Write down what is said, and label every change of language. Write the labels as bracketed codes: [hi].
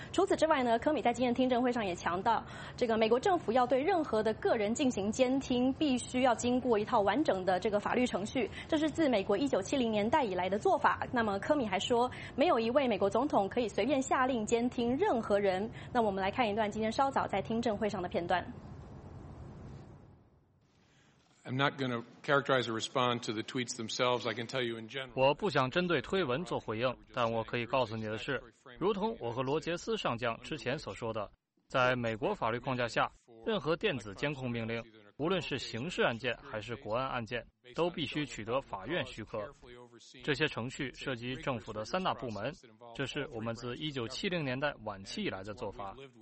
[zh] 除此之外呢，科米在今天的听证会上也强调，这个美国政府要对任何的个人进行监听，必须要经过一套完整的这个法律程序，这是自美国1970年代以来的做法。那么科米还说，没有一位美国总统可以随便下令监听任何人。那我们来看一段今天稍早在听证会上的片段。 [en] I'm not going to characterize or respond to the tweets themselves. I can tell you in general. [zh] 我不想针对推文做回应，但我可以告诉你的是，如同我和罗杰斯上将之前所说的，在美国法律框架下，任何电子监控命令，无论是刑事案件还是国安案件，都必须取得法院许可。这些程序涉及政府的三大部门，这是我们自1970年代晚期以来的做法。